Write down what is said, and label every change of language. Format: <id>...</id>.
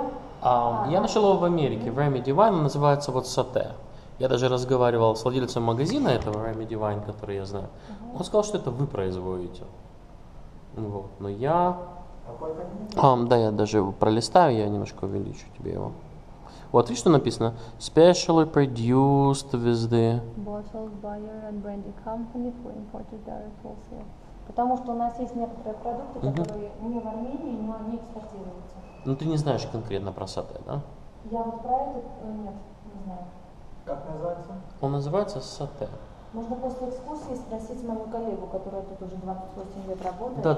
<ru>Я нашел его в Америке, в Remedy Wine, он называется вот Сате. Я даже разговаривал с владельцем магазина этого Remedy Wine, который я знаю. Uh-huh. Он сказал, что это вы производите. Вот. Но я... да, я даже его пролистаю, я немножко увеличу тебе его. Вот, видишь, что написано?</ru> <en>Specially produced with the... Bottled by your and brandy company for imported direct wholesale.</en> <ru>Потому что у нас есть некоторые продукты, которые не в Армении, но они экспортируются. Ну, ты не знаешь конкретно про Сате, да? Я вот про это... Нет, не знаю. Как называется? Он называется Сате. Можно после экскурсии спросить мою коллегу, которая тут уже 28 лет работает.</ru>